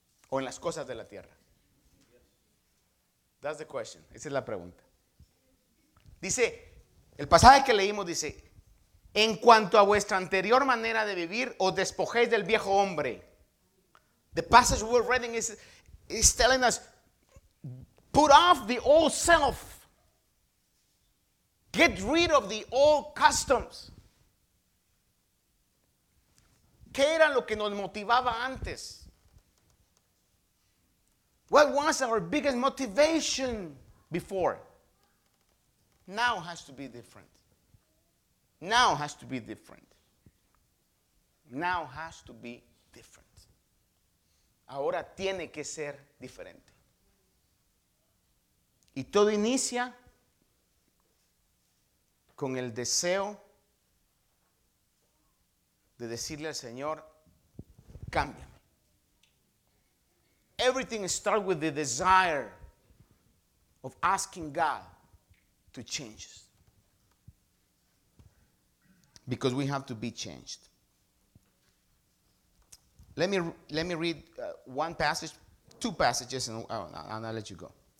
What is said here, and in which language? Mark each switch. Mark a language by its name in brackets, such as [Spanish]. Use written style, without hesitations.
[Spanish] ¿O en las cosas de la tierra? [English] That's the question. [Spanish] Esa es la pregunta. Dice, el pasaje que leímos dice, en cuanto a vuestra anterior manera de vivir, os despojéis del viejo hombre. [English] The passage we're reading is telling us, put off the old self. Get rid of the old customs. [Spanish] ¿Qué era lo que nos motivaba antes? [English] What was our biggest motivation before? Now has to be different. Now has to be different. Now has to be different. [Spanish] Ahora tiene que ser diferente. Y todo inicia con el deseo de decirle al Señor, cámbiame. [English] Everything starts with the desire of asking God to change us. Because we have to be changed. Let me read one passage, two passages, and I'll let you go.